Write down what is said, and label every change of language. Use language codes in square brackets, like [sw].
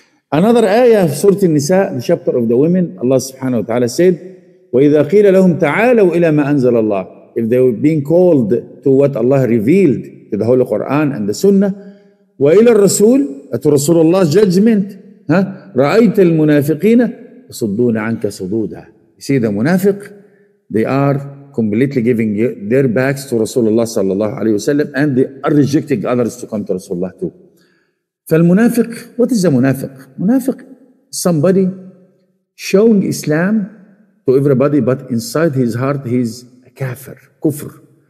[en] Another ayah of Surah An-Nisa, the chapter of the women, Allah subhanahu wa ta'ala said, [ar] وَإِذَا قِيلَ لَهُمْ تَعَالَوْا إِلَى مَا أَنزَلَ اللَّهُ. [en] If they were being called to what Allah revealed to the Holy Quran and the Sunnah, [ar] وَإِلَى الرَّسُولِ [en] At Rasulullah's judgment, huh? [ar] رأيت المنافقين صدون عنك صدودا. [en] You see the منافق, they are completely giving their backs to Rasulullah sallallahu alayhi wa sallam and they are rejecting others to come to Rasulullah too. فالمنافق, what is a منافق? منافق, somebody showing Islam to everybody but inside his heart he's a kafir, كفر.